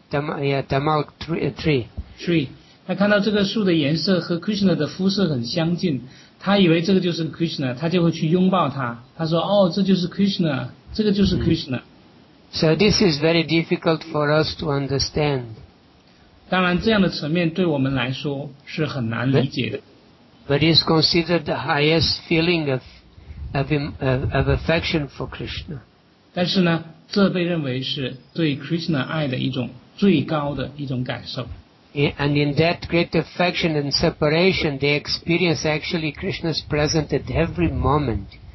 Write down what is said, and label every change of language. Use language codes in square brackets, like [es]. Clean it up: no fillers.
[en] Tamal tree [zh] 他看到这个树的颜色和 Krishna 的肤色很相近，他以为这个就是 Krishna， 他就会去拥抱他，他说哦，这就是 Krishna， 这个就是 Krishna。 [en] So this is very difficult for us to understand. [zh] 当然这样的层面对我们来说是很难理解的。 [en] But it's considered the highest feeling of affection for Krishna. [zh] 但是呢，这被认为是对 Krishna 爱的一种最高的一种感受。 [en] And in that great affection and separation, they experience actually Krishna's presence at every moment.